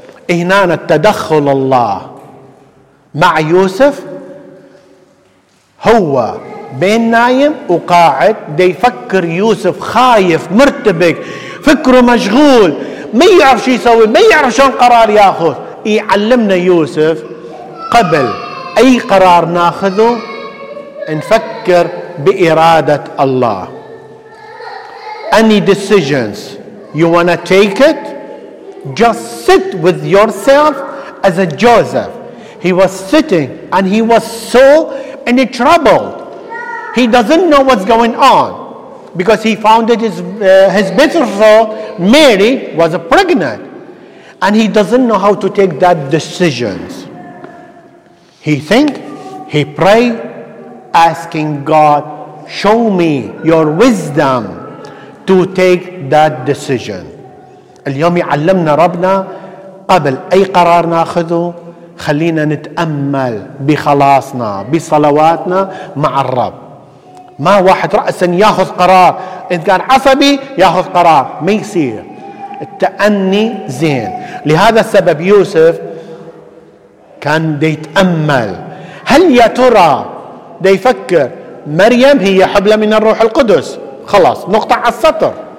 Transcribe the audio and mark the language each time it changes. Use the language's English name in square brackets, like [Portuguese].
[Arabic] هنا التدخل الله مع يوسف، هو بين نايم وقاعد دي يفكر، يوسف خايف مرتبك، فكره مشغول، ما يعرف شو يسوي، ما يعرف شلون قرار ياخذ. يعلمنا يوسف قبل اي قرار ناخذه نفكر بإرادة الله. [English] Any decisions you want to take it, just sit with yourself as a Joseph. He was sitting and he was so in a trouble. He doesn't know what's going on because he found that his betrothed Mary was pregnant and he doesn't know how to take that decisions. He think, he pray, asking God, show me your wisdom to take that decision. [Arabic] اليوم يعلمنا ربنا قبل أي قرار ناخذه خلينا نتأمل بخلاصنا بصلواتنا مع الرب. ما واحد رأسا ياخذ قرار، إن كان عصبي ياخذ قرار، ما يصير. التأني زين. لهذا السبب يوسف كان دي يتأمل، هل يا ترى دي يفكر مريم هي حبلة من الروح القدس، خلاص نقطع السطر.